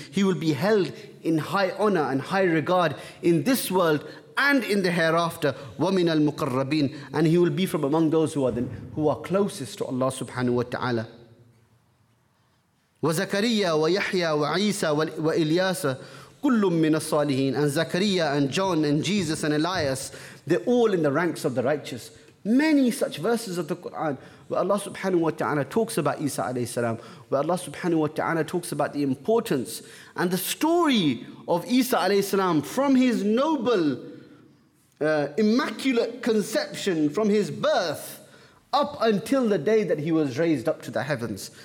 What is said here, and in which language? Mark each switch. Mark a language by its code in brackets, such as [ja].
[en] He will be held in high honor and high regard in this world and in the hereafter. [ar] Wa min al muqarrabin. [en] And he will be from among those who are closest to Allah subhanahu wa ta'ala. [ar] وزكريا ويحيى وعيسى وإلياس كل من الصالحين. [en] And Zakaria and John and Jesus and Elias, they're all in the ranks of the righteous. Many such verses of the Quran where Allah subhanahu wa ta'ala talks about Isa alayhi salam, where Allah subhanahu wa ta'ala talks about the importance and the story of Isa alayhi salam from his noble, immaculate conception, from his birth, up until the day that he was raised up to the heavens.